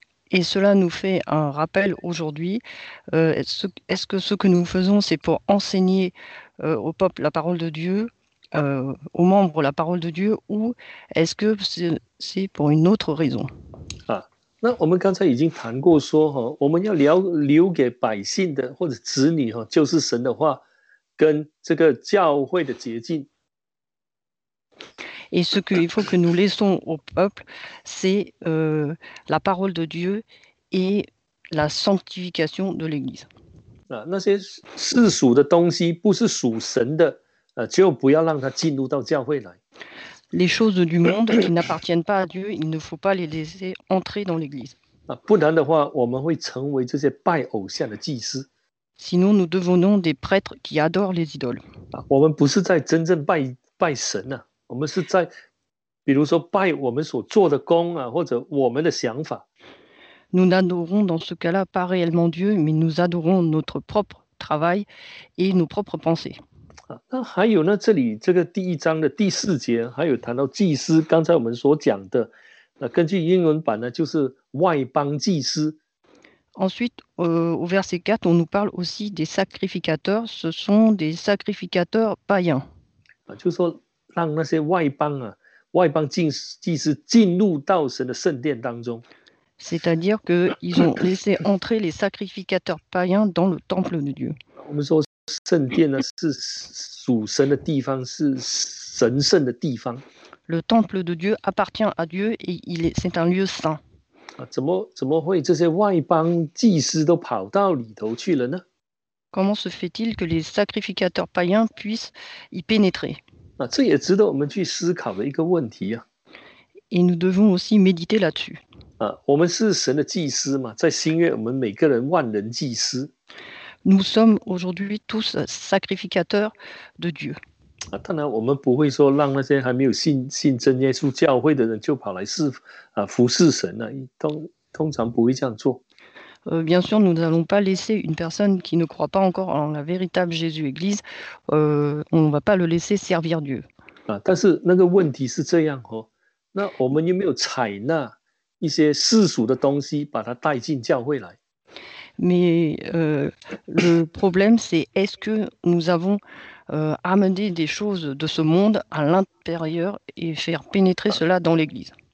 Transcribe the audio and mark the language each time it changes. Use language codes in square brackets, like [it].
[fr] Et cela nous fait un rappel aujourd'hui. Est-ce que ce que nous faisons, c'est pour enseigner au peuple la parole de Dieu, aux membres la parole de Dieu, ou est-ce que c'est pour une autre raison? [zh] 那我们刚才已经谈过说，我们要留给百姓的或者子女，就是神的话跟这个教会的捷径。 [fr] Et ce qu'il faut que nous laissons au peuple, c'est la parole de Dieu et la sanctification de l'Église. [zh] 那些世俗的东西不是属神的，就不要让它进入到教会来。 [fr] Les choses du monde qui n'appartiennent pas à Dieu, il ne faut pas les laisser entrer dans l'Église. [zh] 不然的话，我们会成为这些拜偶像的祭司。 [fr] Sinon, nous devenons des prêtres qui adorent les idoles. [zh] 我们不是在真正拜神啊，我们是在，比如说拜我们所做的工啊，或者我们的想法。 [fr] Nous n'adorons dans ce cas-là pas réellement Dieu, mais nous adorons notre propre travail et nos propres pensées. [zh] 那还有呢？这里这个第一章的第四节，还有谈到祭司。刚才我们所讲的，那根据英文版呢，就是外邦祭司。 [fr] Ensuite, au verset 4, on nous parle aussi des sacrificateurs. Ce sont des sacrificateurs païens. [zh] 就是说让那些外邦啊，外邦祭司进入到神的圣殿当中。 [fr] C'est-à-dire qu'ils ont laissé entrer les sacrificateurs païens dans le temple de Dieu. [zh] 我们说。圣殿呢是属神的地方，是神圣的地方。 [fr] Le temple de Dieu appartient à Dieu et il est, c'est un lieu saint. [zh] 怎么会这些外邦祭司都跑到里头去了呢？ [fr] Comment se fait-il que les sacrificateurs païens puissent y pénétrer? [zh] 这也值得我们去思考的一个问题啊。 [fr] Et nous devons aussi méditer là-dessus. [zh] 我们是神的祭司嘛，在新约我们每个人万人祭司。 [fr] Nous sommes aujourd'hui tous sacrificateurs de Dieu. [zh] 当然，我们不会说让那些还没有信真耶稣教会的人就跑来服侍神呢、通常不会这样做。 [fr] Bien sûr, nous n'allons pas laisser une personne qui ne croit pas encore en la véritable Jésus-Église, on ne va pas le laisser servir Dieu. [zh] 但是那个问题是这样哦，那我们有没有采纳一些世俗的东西，把它带进教会来？ [fr] Mais le problème, c'est est-ce que nous avons amené des choses de ce monde à l'intérieur et faire pénétrer cela dans l'Église?